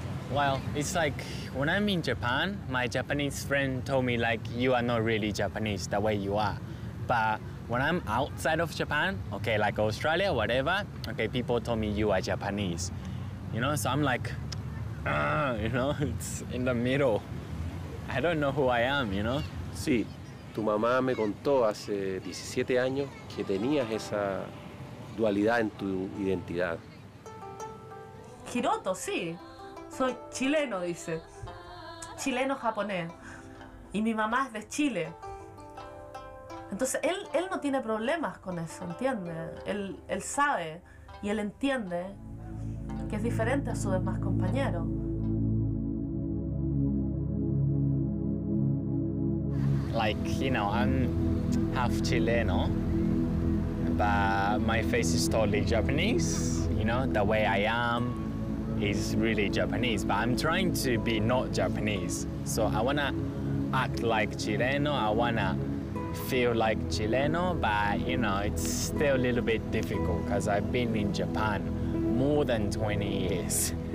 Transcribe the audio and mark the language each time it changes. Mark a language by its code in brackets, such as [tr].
[en] Well, it's like when I'm in Japan, my Japanese friend told me like you are not really Japanese the way you are. But when I'm outside of Japan, okay, like Australia, whatever, okay, people told me you are Japanese. You know, so I'm like, you know, it's in the middle. I don't know who I am, you know? [es] Sí, tu mamá me contó hace 17 años que tenías esa dualidad en tu identidad. Hiroto, sí. Soy chileno, dice. Chileno-japonés. Y mi mamá es de Chile. Entonces, él no tiene problemas con eso, ¿entiendes? Él sabe y él entiende que es diferente a sus demás compañeros. [en] Like, you know, I'm half Chileno, but my face is totally Japanese, you know? The way I am is really Japanese, but I'm trying to be not Japanese. So I wanna act like Chileno, I wanna feel like Chileno, but, you know, it's still a little bit difficult because I've been in Japan more than 20 years.